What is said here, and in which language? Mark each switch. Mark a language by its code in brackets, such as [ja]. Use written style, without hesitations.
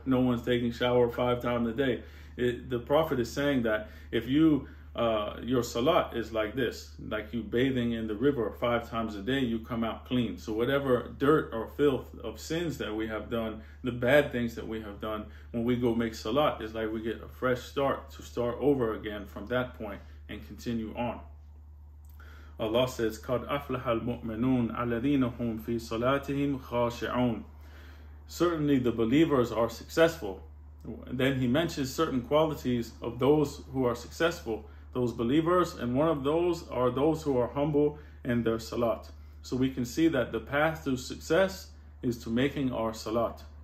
[en] No one's taking shower five times a day. The Prophet is saying that if you, your Salat is like this, like you bathing in the river five times a day, you come out clean. So whatever dirt or filth of sins that we have done, the bad things that we have done, when we go make Salat, it's like we get a fresh start to start over again from that point and continue on. Allah says, [ar] قَدْ أَفْلَحَ الْمُؤْمِنُونَ الَّذِينَ هُمْ فِي صَلَاتِهِمْ خَاشِعُونَ. [en] Certainly the believers are successful. Then he mentions certain qualities of those who are successful, those believers, and one of those are those who are humble in their Salat. So we can see that the path to success is to making our Salat.